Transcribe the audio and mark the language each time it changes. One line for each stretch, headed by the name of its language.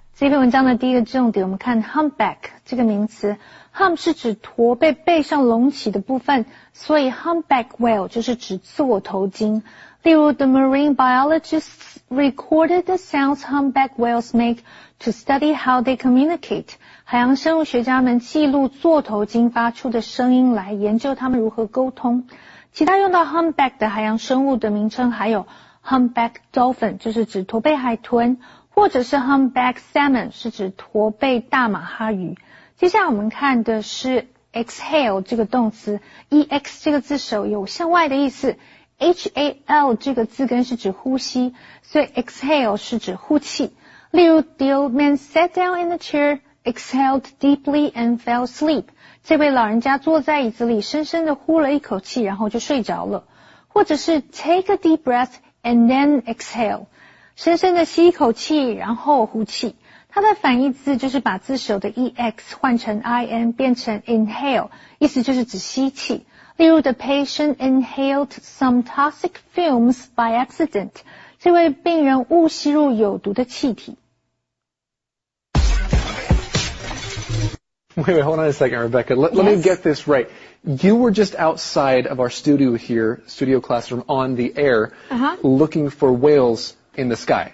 Chinese: 这篇文章的第一个重点，我们看 humpback 这个名词。 hump 是指驼背背上隆起的部分，所以 humpback whale 就是指座头鲸。例如
English: ，the marine biologists recorded the sounds humpback whales make to study how they communicate。
Chinese: 海洋生物学家们记录座头鲸发出的声音来研究它们如何沟通。其他用到 humpback 的海洋生物的名称还有。Humpback dolphin 就是指驼背海豚，或者是 humpback salmon 是指驼背大马哈鱼。接下来我们看的是 exhale 这个动词 ，ex 这个字首有向外的意思 ，hal 这个字根是指呼吸，所以 exhale 是指呼气。例如
English: ，the old man sat down in the chair, exhaled deeply and fell asleep。
Chinese: 这位老人家坐在椅子里，深深地呼了一口气，然后就睡着了。或者是
English: take a deep breath。 And then exhale,
Chinese: 深深地吸一口气然后呼气。它的反义字就是把字首的 ex 换成 in 变成 inhale, 意思就是指吸气。例如
English: the patient inhaled some toxic fumes by accident,
Chinese: 这位病人误吸入有毒的气体。
English: Wait, hold on a second, Rebecca. Let me get this right. You were just outside of our studio here, studio classroom, on the air, looking for whales in the sky.